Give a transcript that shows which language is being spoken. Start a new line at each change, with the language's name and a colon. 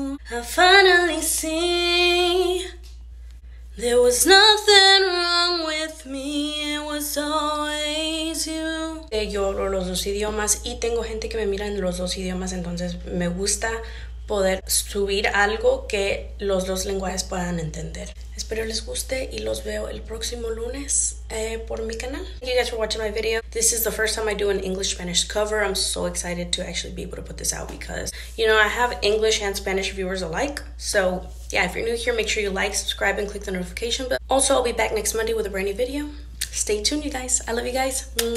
English: I finally see there was nothing wrong with me, it was always you.
Spanish: Yo hablo los dos idiomas y tengo gente que me mira en los dos idiomas, entonces me gusta poder subir algo que los dos lenguajes puedan entender. Espero les guste y los veo el próximo lunes por mi canal.
English: Thank you guys for watching my video. This is the first time I do an English-Spanish cover. I'm so excited to actually be able to put this out because, you know, I have English and Spanish viewers alike. So, yeah, if you're new here, make sure you like, subscribe, and click the notification bell. Also, I'll be back next Monday with a brand new video. Stay tuned, you guys. I love you guys.